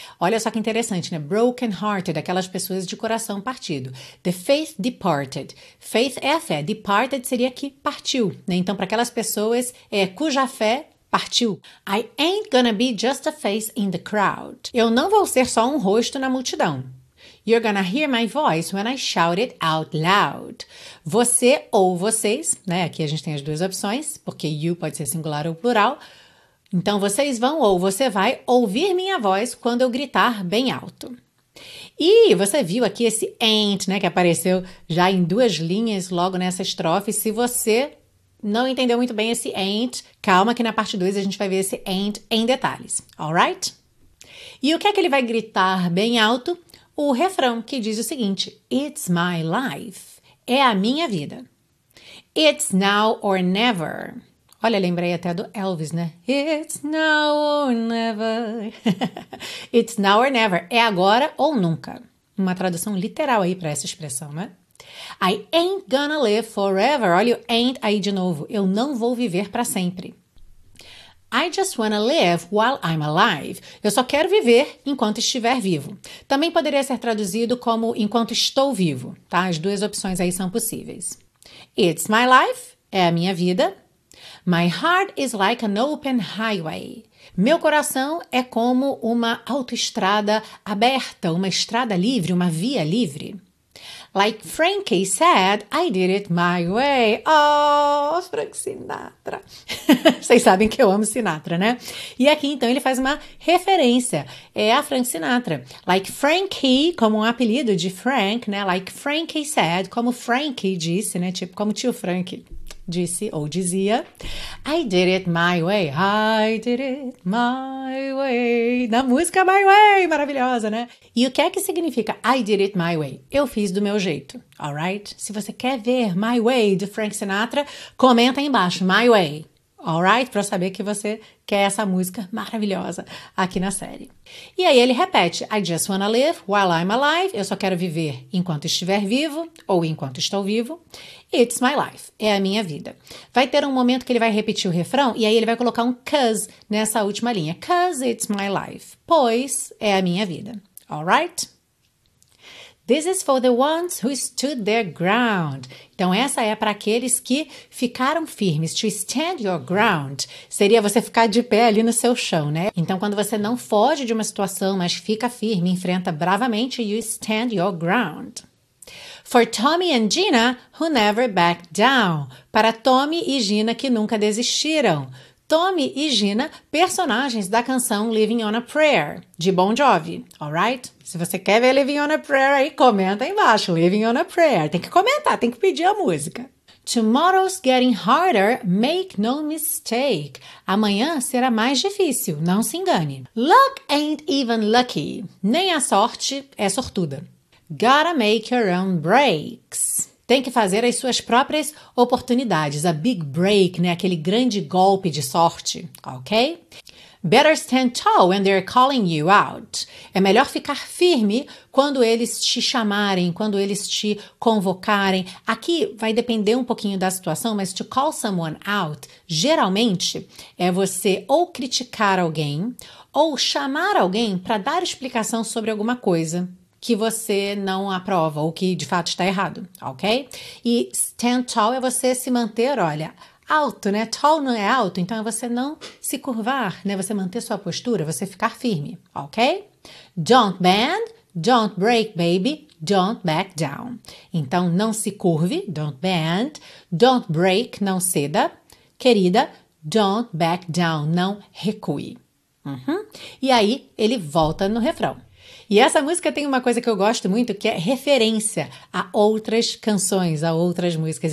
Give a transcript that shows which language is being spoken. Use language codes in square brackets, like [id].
[pt] Olha só que interessante, né? [en] Broken hearted, [pt] aquelas pessoas de coração partido. [en] The faith departed. [pt] Faith é a fé. Departed seria que partiu, né? Então, para aquelas pessoas cuja fé partiu. [en] I ain't gonna be just a face in the crowd. [pt] Eu não vou ser só um rosto na multidão. [en] You're gonna hear my voice when I shout it out loud. [pt] Você ou vocês, né? Aqui a gente tem as duas opções, porque you pode ser singular ou plural. Então, vocês vão ou você vai ouvir minha voz quando eu gritar bem alto. E você viu aqui esse ain't, né? Que apareceu já em duas linhas logo nessa estrofe. Se você não entendeu muito bem esse ain't, calma que na parte 2 a gente vai ver esse ain't em detalhes. Alright? E o que é que ele vai gritar bem alto? O refrão que diz o seguinte: [en] It's my life. [pt] É a minha vida. [en] It's now or never. [pt] Olha, lembrei até do Elvis, né? [en] It's now or never. It's now or never. [pt] É agora ou nunca. Uma tradução literal aí para essa expressão, né? [en] I ain't gonna live forever. [pt] Olha o ain't aí de novo. Eu não vou viver para sempre. [en] I just wanna live while I'm alive. [pt] Eu só quero viver enquanto estiver vivo. Também poderia ser traduzido como enquanto estou vivo, tá? As duas opções aí são possíveis. [en] It's my life, [pt] é a minha vida. [en] My heart is like an open highway. [pt] Meu coração é como uma autoestrada aberta, uma estrada livre, uma via livre. [en] Like Frankie said, I did it my way. Oh, Frank Sinatra. [pt] Vocês sabem que eu amo Sinatra, né? E aqui então ele faz uma referência. É a Frank Sinatra. Like Frankie, como um apelido de Frank, né? [en] Like Frankie said, [pt] como Frankie disse, né? Tipo, como tio Frank. disse ou dizia: [en] I did it my way, I did it my way. [pt] Na música My Way, maravilhosa, né? E o que é que significa [en] I did it my way? [pt] Eu fiz do meu jeito, alright? Se você quer ver My Way de Frank Sinatra, comenta aí embaixo, My Way. Alright? Pra saber que você quer essa música maravilhosa aqui na série. E aí ele repete, [en] I just wanna live while I'm alive. [pt] Eu só quero viver enquanto estiver vivo ou enquanto estou vivo. [en] It's my life. [pt] É a minha vida. Vai ter um momento que ele vai repetir o refrão e aí ele vai colocar um 'cause nessa última linha. [en] 'Cause it's my life. [pt] Pois é a minha vida. Alright? [en] This is for the ones who stood their ground. [pt] Então, essa é para aqueles que ficaram firmes. [en] To stand your ground [pt] seria você ficar de pé ali no seu chão, né? Então, quando você não foge de uma situação, mas fica firme, enfrenta bravamente, [en] you stand your ground. For Tommy and Gina, who never backed down. [pt] Para Tommy e Gina, que nunca desistiram. Tommy e Gina, personagens da canção Living on a Prayer, de Bon Jovi, alright? Se você quer ver Living on a Prayer aí, comenta aí embaixo, Living on a Prayer. Tem que comentar, tem que pedir a música. [en] Tomorrow's getting harder, make no mistake. [pt] Amanhã será mais difícil, não se engane. [en] Luck ain't even lucky. [pt] Nem a sorte é sortuda. [en] Gotta make your own breaks. [pt] Tem que fazer as suas próprias oportunidades. [en] A big break, [pt] né? Aquele grande golpe de sorte, ok? [en] Better stand tall when they're calling you out. [pt] É melhor ficar firme quando eles te chamarem, quando eles te convocarem. Aqui vai depender um pouquinho da situação, mas [en] to call someone out, [pt] geralmente, é você ou criticar alguém ou chamar alguém para dar explicação sobre alguma coisa que você não aprova ou que de fato está errado, ok? E stand tall é você se manter, olha, alto, né? Tall não é alto, então é você não se curvar, né? Você manter sua postura, você ficar firme, ok? [en] Don't bend, don't break, baby, don't back down. [pt] Então, não se curve, [en] don't bend, don't break, [pt] não ceda, querida, [en] don't back down, [pt] não recue. Uhum. E aí, ele volta no refrão. E essa música tem uma coisa que eu gosto muito, que é referência a outras canções, a outras músicas.